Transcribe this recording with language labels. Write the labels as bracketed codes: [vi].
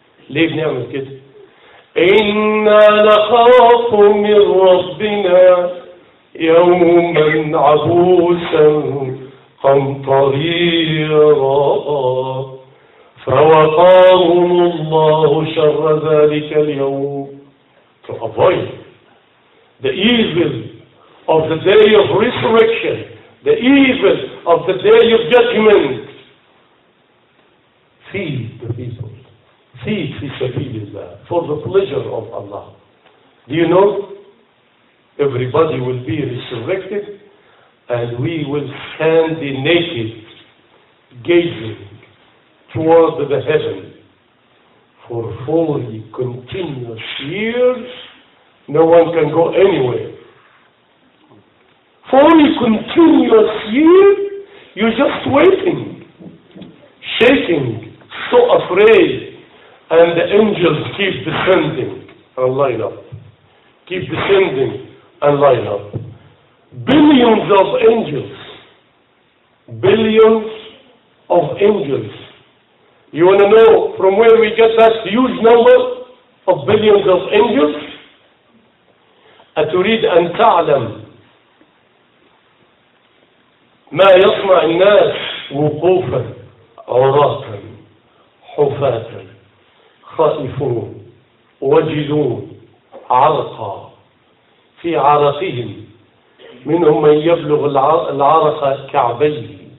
[ar] ليه بنعمل كده؟ إنا نخاف من ربنا يوما عبوسا قمطريرا فوقاهم الله شر ذلك اليوم. [en] To avoid the evil of the day of resurrection, the evil of the day of judgment. Feed the people. Feed fi sabilillah, for the pleasure of Allah. Do you know? Everybody will be resurrected and we will stand naked, gazing toward the heaven for 40 continuous years. No one can go anywhere. 40 continuous years, you're just waiting, shaking, so afraid, and the angels keep descending and line up, keep descending and line up. Billions of angels, billions of angels. You want to know from where we get that huge number of billions of angels? [ar] أتريد أن تعلم ما يصنع الناس وقوفا عراة حفاة خائفون وجدون عرقا في عرقهم، منهم من يبلغ العرق كعبيه،